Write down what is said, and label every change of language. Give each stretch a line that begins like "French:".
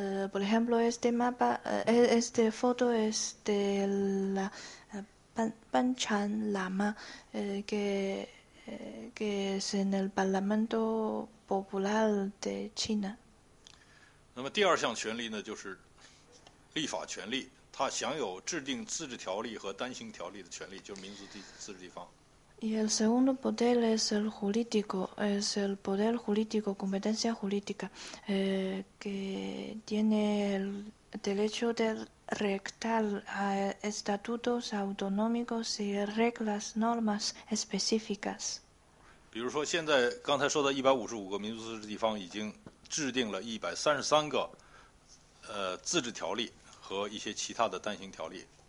Spanish: Por ejemplo, este mapa, esta foto es de la Panchen Lama, que es en el Parlamento Popular de China.
Chinese: 那么第二项权利呢，就是立法权利，他享有制定自治条例和单行条例的权利，就是民族自治地方。
Spanish: Y el segundo poder es el jurídico, es el poder jurídico, competencia jurídica, que tiene el derecho de redactar estatutos autonómicos y reglas, normas específicas.
Chinese: 比如说，现在刚才说的155个民族自治地方已经制定了133个自治条例和一些其他的单行条例。